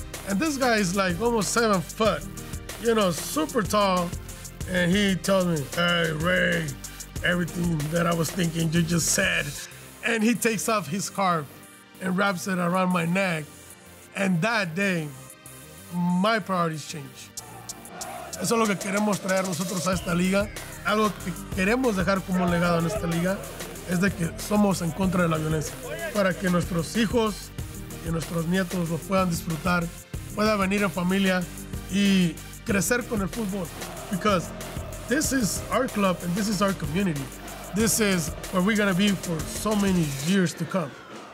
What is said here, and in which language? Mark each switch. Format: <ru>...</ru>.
<en>And this guy is like almost 7 foot, you know, super tall. And he tells me, hey, Ray, everything that I was thinking, you just said. And he takes off his scarf and wraps it around my neck. And that day, my priorities changed.</en> <es>Eso es lo que queremos traer nosotros a esta liga. Algo que queremos dejar como legado en esta liga es de que somos en contra de la violencia. Para que nuestros hijos y nuestros nietos lo puedan disfrutar, puedan venir en familia y crecer con el fútbol.</es> <en>Because this is our club and this is our community. This is where we're going to be for so many years to come.</en>